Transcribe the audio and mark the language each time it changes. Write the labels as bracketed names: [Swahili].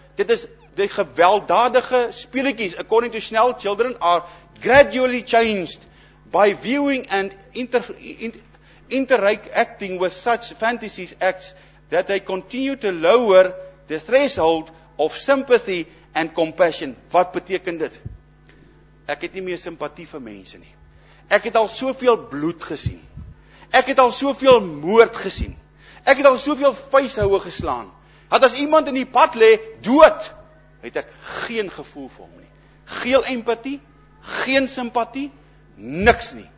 [Afrikaans] Dit is die gewelddadige speletjies. [English] According to Snell, children are gradually changed by viewing and interacting with such fantasy acts that they continue to lower the threshold of sympathy and compassion. [Afrikaans] Wat beteken dit? Ek het nie meer sympathie vir mense nie. Ek het al soveel bloed gesien. Ek het al soveel moord gesien. Ek het al soveel vuishoue geslaan. Dat as iemand in die pad lê, dood, het ek geen gevoel vir hom nie. Geen empathie, geen sympathie, niks nie.